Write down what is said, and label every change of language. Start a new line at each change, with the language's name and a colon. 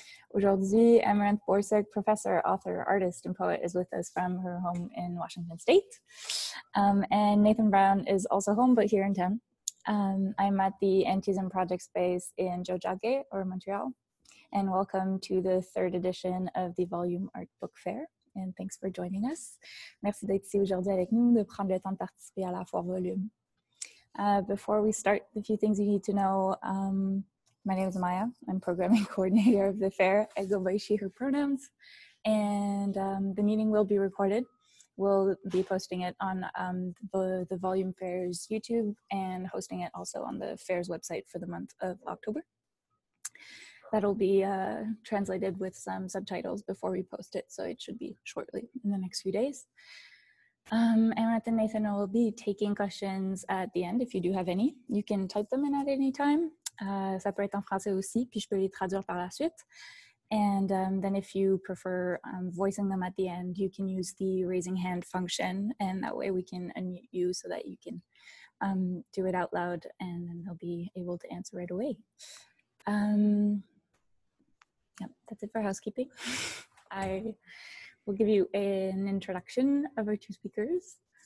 English: Aujourd'hui, Amaranth Borsuk, professor, author, artist, and poet, is with us from her home in Washington State. And Nathan Brown is also home, but here in town. I'm at the Anteism Project Space in Jojage, or Montreal. And welcome to the third edition of the Volume Art Book Fair. And thanks for joining us.
French: Merci d'être ici aujourd'hui avec nous, de prendre le temps de participer à la Foire Volume.
English: Before we start, a few things you need to know. My name is Maia. I'm programming coordinator of the fair. I go by she, her pronouns. And the meeting will be recorded. We'll be posting it on the Volume Fair's YouTube and hosting it also on the fair's website for the month of October. That'll be translated with some subtitles before we post it, so it should be shortly in the next few days. Amaranth and Nathan will be taking questions at the end if you do have any. You can type them in at any time.
French: Ça peut être en français aussi, puis je peux les traduire par la suite.
English: And then if you prefer voicing them at the end, you can use the raising hand function, and that way we can unmute you so that you can do it out loud, and then they'll be able to answer right away. Yep, that's it for housekeeping. I will give you an introduction of our two speakers.